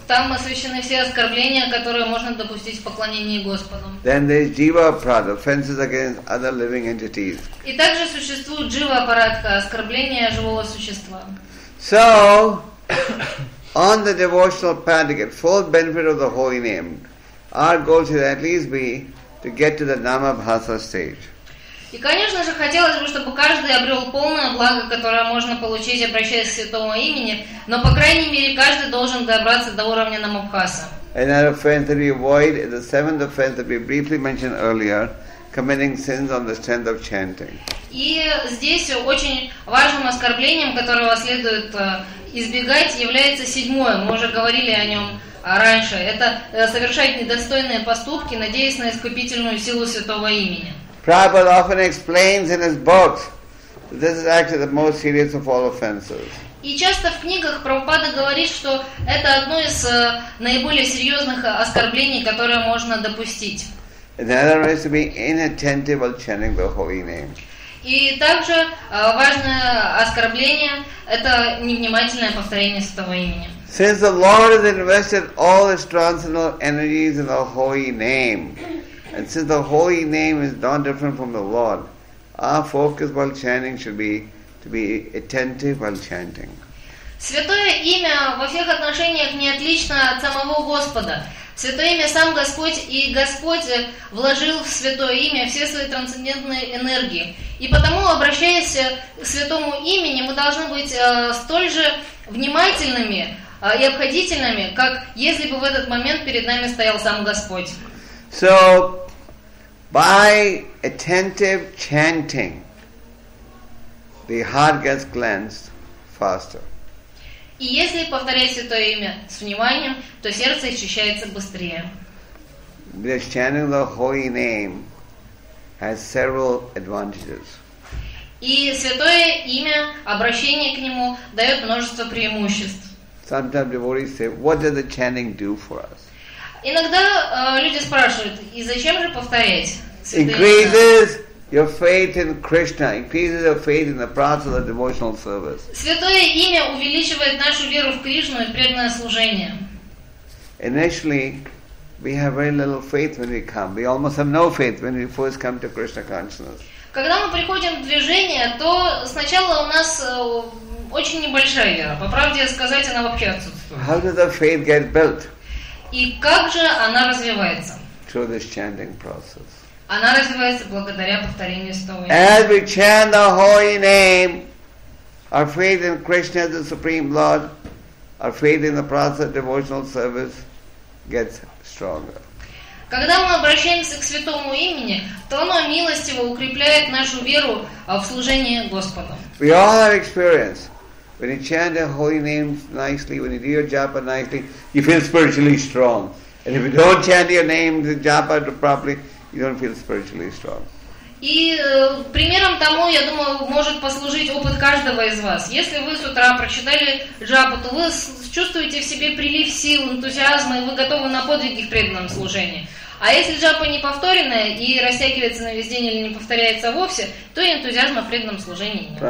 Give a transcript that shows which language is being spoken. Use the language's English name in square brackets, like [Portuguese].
[Russian] Там освящены все оскорбления, которые можно допустить в поклонении Господу. [English] Then there's Jiva Aparadha, offenses against other living entities. [Russian] И также существует Jiva Aparadha, оскорбление живого существа. [English] So, on the devotional path to get full benefit of the holy name, our goal should at least be to get to the Namabhasa stage. [Russian] И, конечно же, хотелось бы, чтобы каждый обрел полное благо, которое можно получить, обращаясь к святому имени, но, по крайней мере, каждый должен добраться до уровня Намабхаса. [English] Another offense that we avoid is the seventh offense that we briefly mentioned earlier, committing sins on the strength of chanting. [Russian] И здесь очень важным оскорблением, которого следует избегать, является седьмое. Мы уже говорили о нем раньше. Это совершать недостойные поступки, надеясь на искупительную силу святого имени. [English] Prabhupada often explains in his books that this is actually the most serious of all offenses. [Russian] И часто в книгах Прабхупада говорит, что это одно из наиболее серьезных оскорблений, которое можно допустить. [English] And the other is to be inattentive while chanting the holy name. [Russian] И также важное оскорбление – это невнимательное повторение святого имени. [English] Since the Lord has invested all His transcendental energies in the holy name, and since the holy name is not different from the Lord, our focus while chanting should be to be attentive while chanting. [Russian] Святое имя во всех отношениях не отлично от самого Господа. Святое имя сам Господь, и Господь вложил в святое имя все свои трансцендентные энергии. И потому, обращаясь к святому имени, мы должны быть столь же внимательными и обходительными, как если бы в этот момент перед нами стоял сам Господь. [English] So, by attentive chanting, the heart gets cleansed faster. [Russian] И если повторять святое имя с вниманием, то сердце очищается быстрее. [English] This chanting the holy name has several advantages. [Russian] И святое имя, обращение к нему, дает множество преимуществ. [English] Sometimes devotees say, "What does the chanting do for us?" [Russian] Иногда люди спрашивают, и зачем же повторять святое имя? [English] Increases your faith in Krishna, increases your faith in the process of devotional service. [Russian] Святое имя увеличивает нашу веру в Кришну и преданное служение. [English] Initially, we have very little faith when we come. We almost have no faith when we first come to Krishna consciousness. [Russian] Когда мы приходим в движение, то сначала у нас очень небольшая вера. По правде сказать, она вообще отсутствует. [English] How does the faith get built? [Russian] И как же она развивается? [English] Through this chanting process. [Russian] Она развивается благодаря повторению святого имени. [English] As we chant the holy name, our faith in Krishna as the Supreme Lord, our faith in the process of devotional service gets stronger. [Russian] Когда мы обращаемся к святому имени, то оно милостиво укрепляет нашу веру в служение Господу. [English] We all have experience. When you chant the holy name nicely, when you do your japa nicely, you feel spiritually strong. And if you don't chant your name, the japa properly, you don't feel spiritually strong. [Russian] И примером тому, я думаю, может послужить опыт каждого из вас. Если вы с утра прочитали джапу, то вы чувствуете в себе прилив сил, энтузиазма, и вы готовы на подвиги в преданном служении. А если джапа не повторенная и растягивается на весь день или не повторяется вовсе, то энтузиазма в преданном служении нет.